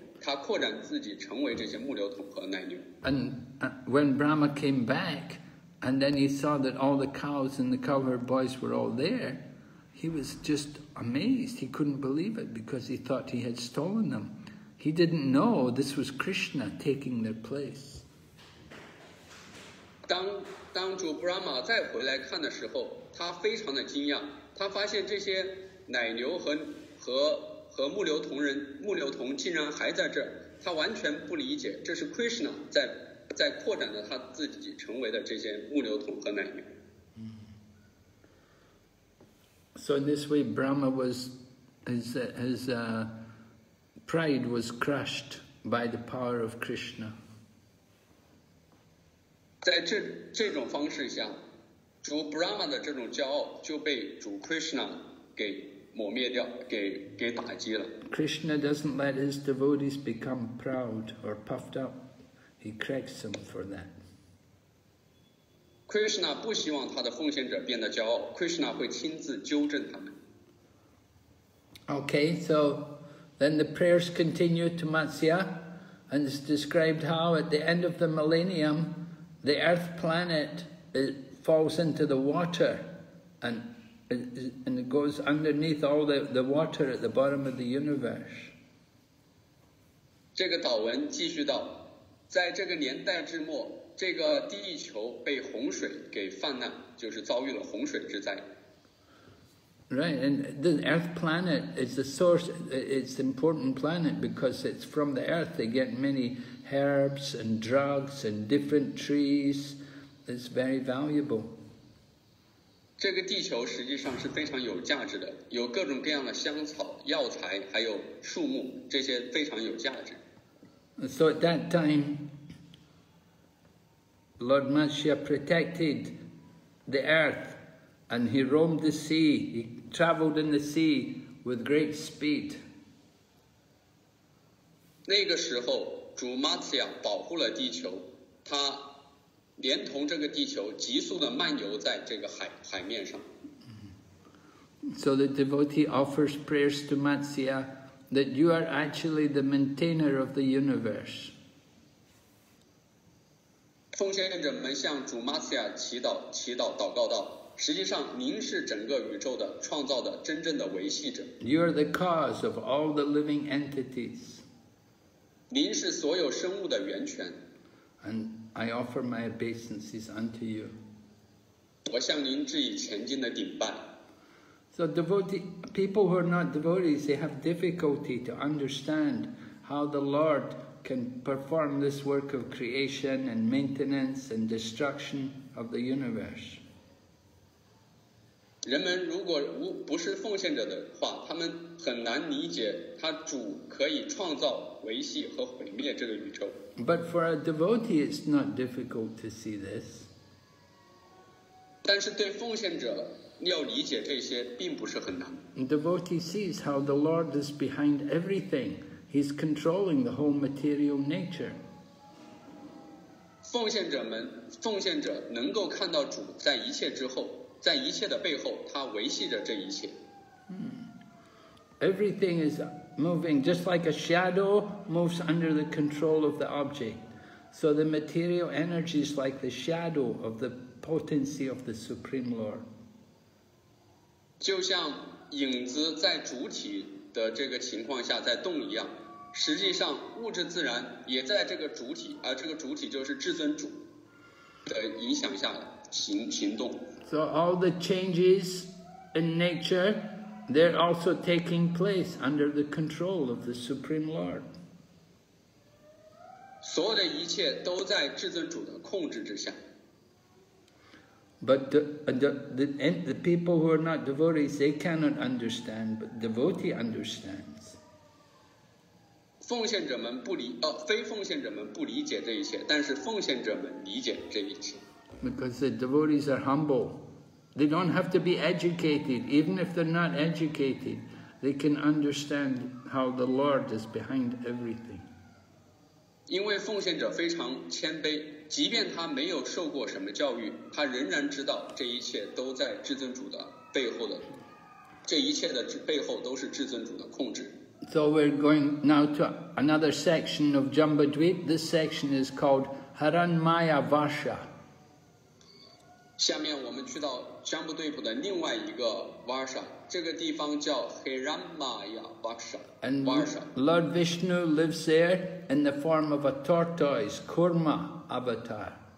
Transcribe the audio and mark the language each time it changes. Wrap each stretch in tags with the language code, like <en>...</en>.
<zh>他扩展自己，成为这些牧牛童和奶牛。</zh> <en>And when Brahma came back, and then he saw that all the cows and the cowherd boys were all there, he was just amazed. He couldn't believe it because he thought he had stolen them. He didn't know this was Krishna taking their place.</en> <zh>当主 Brahma 再回来看的时候。他非常的惊讶，他发现这些奶牛和牧牛童竟然还在这儿，他完全不理解，这是 Krishna 在扩展了他自己成为的这些牧牛童和奶牛。</zh> <en>So in this way, Brahma was his pride was crushed by the power of Krishna.</en> <zh>在这种方式下。主 Brahma 的这种骄傲就被主 Krishna 给抹灭掉，给打击了。</zh> <en>Krishna doesn't let his devotees become proud or puffed up. He corrects them for that.</en> <zh>Krishna 不希望他的奉献者变得骄傲， Krishna 会亲自纠正他们。</zh> <en>Okay, so then the prayers continue to Matsya, and it's described how at the end of the millennium, the earth planet falls into the water and it goes underneath all the water at the bottom of the universe.</en> <zh>这个祷文继续到，在这个年代之末，这个地球被洪水给泛滥，就是遭遇了洪水之灾。</zh> <en>Right, and the earth planet is the source, it's an important planet because it's from the earth. They get many herbs and drugs and different trees. It's very valuable.</en> <zh>这个地球实际上是非常有价值的，有各种各样的香草、药材，还有树木，这些非常有价值。</zh> <en>So at that time, Lord Matsya protected the earth and he roamed the sea. He traveled in the sea with great speed.</en> <zh>那个时候主 Matsya 保护了地球，他连同这个地球急速地漫游在这个 海面上。</zh> <en>So the devotee offers prayers to Matsya that you are actually the maintainer of the universe.</en> <zh>奉献者们向主 Matsya 祷告道，实际上您是整个宇宙的创造的真正的维系者。</zh> <en>You are the cause of all the living entities.</en> <zh>您是所有生物的源泉。</zh> <en>And I offer my obeisances unto you.</en> <zh>我向您致以虔敬的顶拜。</zh> <en>So people who are not devotees, they have difficulty to understand how the Lord can perform this work of creation and maintenance and destruction of the universe.</en> <zh>人们如果不是奉献者的话，他们很难理解他主可以创造、维系和毁灭这个宇宙。</zh> <en>But for a devotee, it's not difficult to see this.</en> <zh>但是对奉献者要理解这些并不是很难。</zh> <en>Devotee sees how the Lord is behind everything. He's controlling the whole material nature.</en> <zh>奉献者能够看到主在一切之后。在一切的背后，他维系着这一切。</zh> <en>Everything is moving, just like a shadow moves under the control of the object. So the material energy is like the shadow of the potency of the Supreme Lord.</en> <zh>就像影子在主体的这个情况下在动一样，实际上物质自然也在这个主体，而这个主体就是至尊主的影响下行动。</zh> <en>So all the changes in nature, they're also taking place under the control of the Supreme Lord.</en> <zh>所有的一切都在至尊主的控制之下。</zh> <en>But the people who are not devotees, they cannot understand, but devotee understands.</en> <zh>奉献者们不理，非奉献者们不理解这一切，但是奉献者们理解这一切。</zh> <en>Because the devotees are humble. They don't have to be educated. Even if they're not educated, they can understand how the Lord is behind everything.</en> <zh>因为奉献者非常谦卑，即便他没有受过什么教育，他仍然知道这一切都在至尊主的背后的，这一切的背后都是至尊主的控制。</zh> <en>So we're going now to another section of Jambadvip. This section is called Haranmaya Varsha.</en> <zh>下面我们去到江布对普的另外一个 Varsha， 这个地方叫 Haranmaya Varsha。</zh> <en>And Lord Vishnu lives there in the form of a tortoise, Kurma avatar.</en>